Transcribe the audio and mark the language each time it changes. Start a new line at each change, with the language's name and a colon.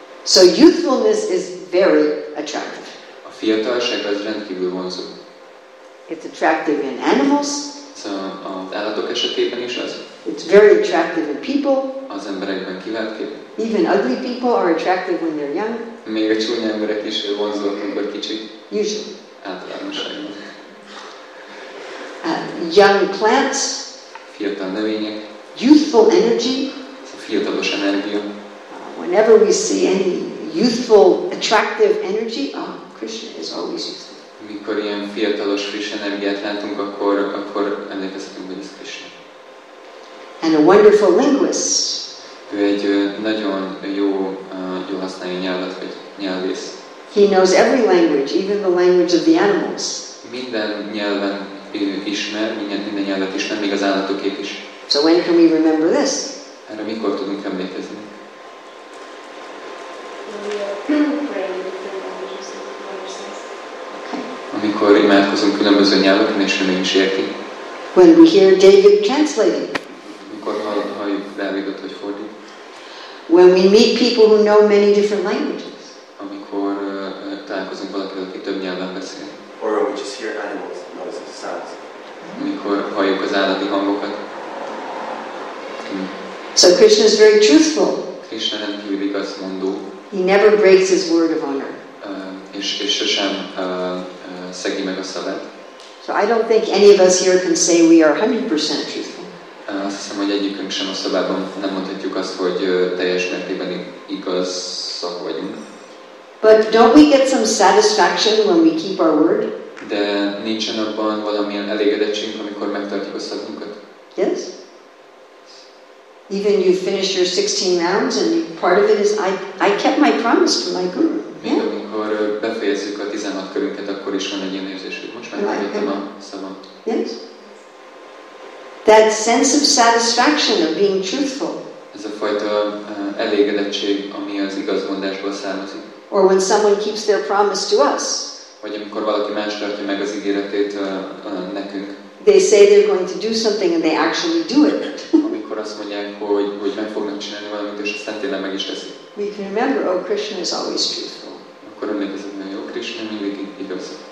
English: So youthfulness is very attractive.
Hungarian: A fiatalság az rendkívül vonzó.
English: It's attractive in animals.
Hungarian: Az állatok esetében is az.
English: It's very attractive in people.
Hungarian: Az emberekben kiváltképp.
English: Even ugly people are attractive when they're young.
Hungarian: Még a csúnya emberek is vonzóak, amikor kicsik.
English: Usually.
Hungarian: Általánosságban.
English: Young plants.
Hungarian: Fiatal növények.
English: Youthful energy.
Hungarian: Fiatalos energia.
English: Whenever we see any youthful, attractive energy, Krishna is always youthful.
Hungarian: Mikor ilyen fiatalos, friss energiát látunk, akkor emlékeztetünk, hogy ez Krishna.
English: And a wonderful linguist.
Hungarian: Ő egy nagyon jó, jó használó nyelvet, vagy nyelvész.
English: He knows every language, even the language of the animals.
Hungarian: Minden nyelven ismer, minden nyelvet ismer, még az állatokét is.
English: So when can we remember this?
Hungarian: Erre mikor tudunk emlékezni? Amikor imádkozunk különböző nyelvekön, és ő nincs érti.
English: When we hear David translating.
Hungarian: Amikor halljuk Dávidot, hogy fordít.
English: When we meet people who know many different languages.
Hungarian: Amikor találkozunk valakivel, aki több nyelven beszél.
English: Or we just hear animals, noise, sounds.
Hungarian: Amikor halljuk az állati hangokat.
English: So Krishna is very truthful.
Hungarian: Krishna rendkívül igazmondó.
English: He never breaks his word of honor.
Hungarian: És sosem szegi meg a szavát.
English: So I don't think any of us here can say we are 100% truthful.
Hungarian: Azt hiszem, hogy egyikünk sem a szavában nem mondhatjuk azt, hogy teljes mértékben igazak vagyunk.
English: But don't we get some satisfaction when we keep our word?
Hungarian: De nincsen abban valamilyen elégedettségünk, amikor megtartjuk a szavunkat?
English: Yes. Even you finish your 16 rounds and part of it is I kept my promise to my guru.
Hungarian: Amikor befejezzük a 16 körünket, akkor is van egy ilyen érzés, hogy most már megtartottam a szavam.
English: Yes. That sense of satisfaction of being truthful.
Hungarian: Ez a fajta elégedettség, ami az igazmondásból származik.
English: Or when someone keeps their promise to us.
Hungarian: Vagy amikor valaki más tartja meg az ígéretét nekünk.
English: They say they're going to do something and they actually do it.
Hungarian: Amikor azt mondják, hogy meg fognak csinálni valamit, és aztán tényleg meg is teszik.
English: We can remember, Krishna is always truthful.
Hungarian: Akkor emlékezett, hogy jó, Krishna mindig igaz.